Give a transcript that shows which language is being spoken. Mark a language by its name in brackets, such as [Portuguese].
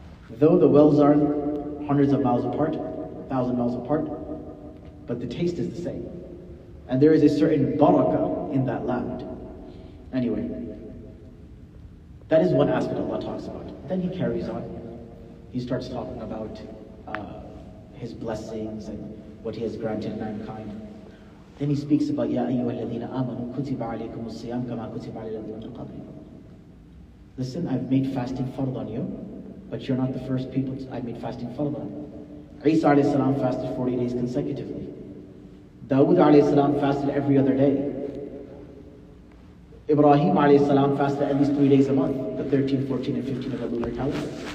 [English] Though the wells are hundreds of miles apart, 1,000 miles apart, but the taste is the same. And there is a certain barakah in that land. Anyway, that is one aspect Allah talks about. Then he carries on. He starts talking about his blessings and what he has granted mankind. Then he speaks about, [Arabic] يَا أَيُّهَا الَّذِينَ آمَنُوا كُتِبَ عَلَيْكُمُ الصِّيَامُ كَمَا كُتِبَ عَلَى الَّذِينَ مِن قَبْلِكُمْ. [English] Listen, I've made fasting fard on you, but you're not the first people I made fasting fard on. Isa alayhi salam fasted 40 days consecutively. Dawood alayhi salam fasted every other day. Ibrahim alayhi salam fasted at least 3 days a month, the 13th, 14th, and 15th of the lunar calendar.